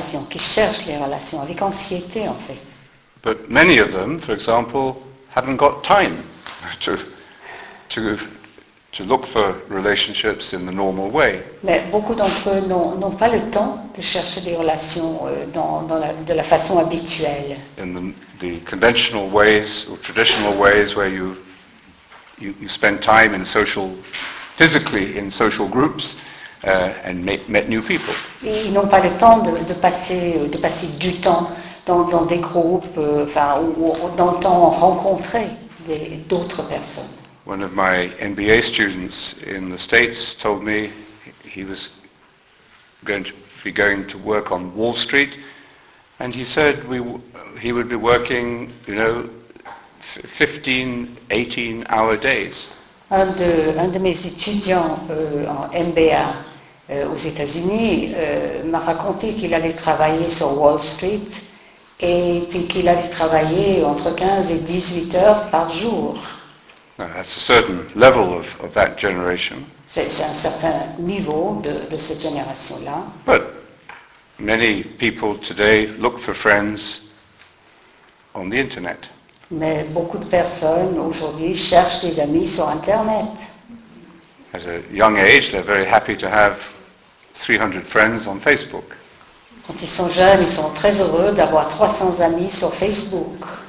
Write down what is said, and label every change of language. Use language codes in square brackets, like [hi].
[fr] Qui cherchent les relations avec anxiété en fait. [en] But many of them, for example, haven't got time to look for relationships in the normal way. [fr] Mais beaucoup d'entre eux n'ont pas le temps de chercher des relations de la façon habituelle. [en] In the conventional ways or traditional ways where you spend time in physically in social groups. And met new people. [fr] Ils n'ont pas le temps de passer du temps dans des groupes, ou dans le temps rencontrer d'autres personnes. [en] One of my MBA students in the States told me he was going to work on Wall Street, and he said he would be working, 15-18-hour days. [fr] Un de mes étudiants en MBA aux États-Unis m'a raconté qu'il allait travailler sur Wall Street et puis qu'il allait travailler entre 15 et 18 heures par jour. [en] Now, that's a certain level of that generation. [fr] C'est un certain niveau de cette génération-là. [en] But many people today look for friends on the internet. [fr] Mais beaucoup de personnes aujourd'hui cherchent des amis sur internet. [en] At a young age, they're very happy to have 300 friends on Facebook. [fr] Quand ils sont jeunes, ils sont très heureux d'avoir 300 amis sur Facebook.